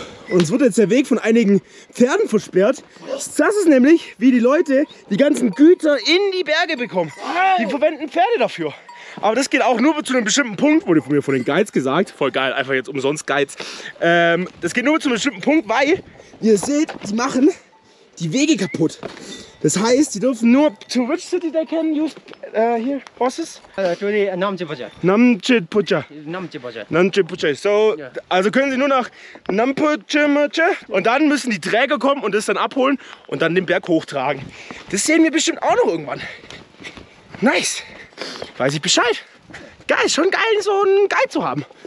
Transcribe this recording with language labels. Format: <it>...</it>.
<de>Uns wird jetzt der Weg von einigen Pferden versperrt. Das ist nämlich, wie die Leute die ganzen Güter in die Berge bekommen. Die verwenden Pferde dafür. Aber das geht auch nur zu einem bestimmten Punkt, wurde von mir von den Guides gesagt. Voll geil, einfach jetzt umsonst Guides. Das geht nur zu einem bestimmten Punkt, weil, ihr seht, die machen die Wege kaputt. Das heißt, die dürfen nur</de> <en>to which city they can use here horses? To the Namchipucha. Namchipucha. Namchipucha. Namchipucha. So, yeah.</en> <de>Also können sie nur nach Namchipucha und dann müssen die Träger kommen und das dann abholen und dann den Berg hochtragen. Das sehen wir bestimmt auch noch irgendwann. Nice. Weiß ich Bescheid. Geil, schon geil, so einen Guide zu haben.</de>